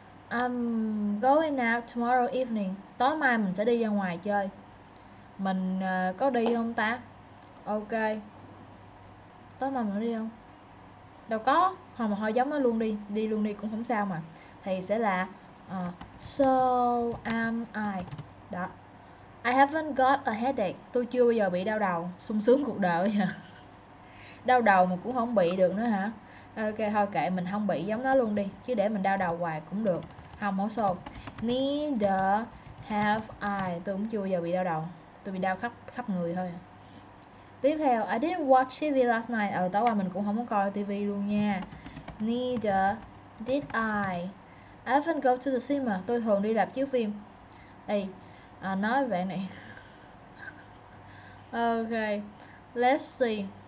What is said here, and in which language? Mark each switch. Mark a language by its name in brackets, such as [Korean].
[English] I'm going out tomorrow evening. [Vietnamese] Tối mai mình sẽ đi ra ngoài chơi. Mình có đi không ta? Ok. Tối mai mình đi không? Đâu có, hồi mà hồi giống nó luôn đi. Đi luôn đi cũng không sao mà. Thì sẽ là [English] So am I. [Vietnamese] Đó. [English] I haven't got a headache. [Vietnamese] Tôi chưa bao giờ bị đau đầu. Sung sướng cuộc đời vậy. Đau đầu mà cũng không bị được nữa hả? Ok thôi kệ, mình không bị giống nó luôn đi. Chứ để mình đau đầu hoài cũng được. Không, hổ xô. [English] Neither have I. [Vietnamese] Tôi cũng chưa bao giờ bị đau đầu. Tôi bị đau khắp khắp người thôi. Tiếp theo, [English] I didn't watch TV last night. [Vietnamese] Tối qua mình cũng không có coi TV luôn nha. [English] Neither did I. I often go to the cinema. [Vietnamese] Tôi thường đi rạp chiếu phim. Ê, nói về bạn này. [English] Ok, let's see.